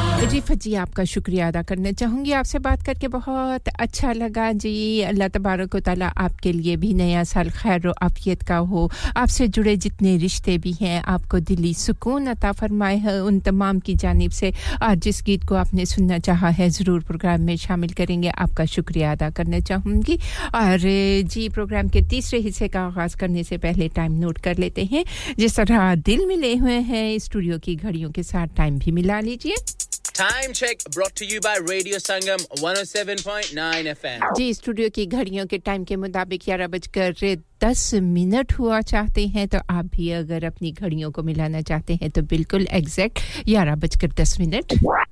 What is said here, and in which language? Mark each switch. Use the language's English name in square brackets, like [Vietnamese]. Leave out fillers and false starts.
[Urdu] جی Fiji آپ کا شکریہ ادا کرنا چاہوں گی آپ سے بات کر کے بہت اچھا لگا جی اللہ تبارک و تعالی آپ کے لیے بھی نیا سال خیر و عافیت کا ہو آپ سے جڑے جتنے رشتے بھی ہیں آپ کو دلی سکون عطا فرمائے ان تمام کی جانب سے آج جس گیت کو آپ نے سننا چاہا ہے ضرور پروگرام میں شامل کریں گے آپ کا شکریہ ادا کرنا چاہوں گی اور جی پروگرام کے تیسرے حصے کا آغاز کرنے سے پہلے ٹائم نوٹ کر لیتے ہیں جس طرح دل ملے ہوئے ہیں اسٹوڈیو کی گھڑیوں کے ساتھ ٹائم بھی ملا لیجیے [English] Time check brought to you by Radio Sangam 107.9 FM. [Urdu] جی studio کی گھڑیوں کے ٹائم کے مطابق 11:10 ہوا چاہتے ہیں تو آپ بھی اگر اپنی گھڑیوں کو ملانا چاہتے ہیں تو بالکل ایگزیکٹ 11:10